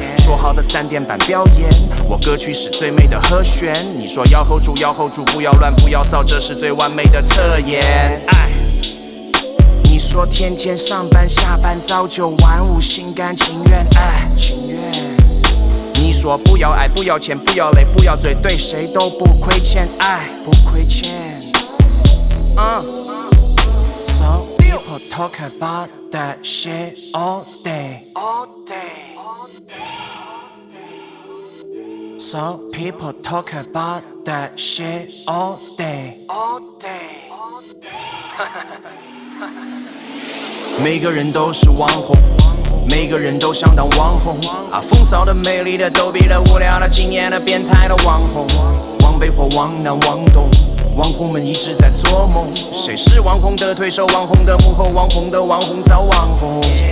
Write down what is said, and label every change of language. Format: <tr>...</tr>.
<zh>说好的三点半表演，我歌曲是最美的和弦，你说要 hold 住，要 hold 住，不要乱，不要骚，这是最完美的策略。你说天天上班下班，朝九晚五，心甘情愿。你说不要爱，不要钱，不要累，不要嘴，对谁都不亏欠。不亏欠。</zh> <en>So people talk about that shit all day. All day. So people talk about that shit all day. All day.</en> <zh>每个人都是网红，每个人都相当网红啊，风骚的、美丽的、逗逼的、无聊的、惊艳的、变态的网红，往北或往南往东，网红们一直在做梦。谁是网红的推手？网红的幕后？网红的网红找网红？</zh>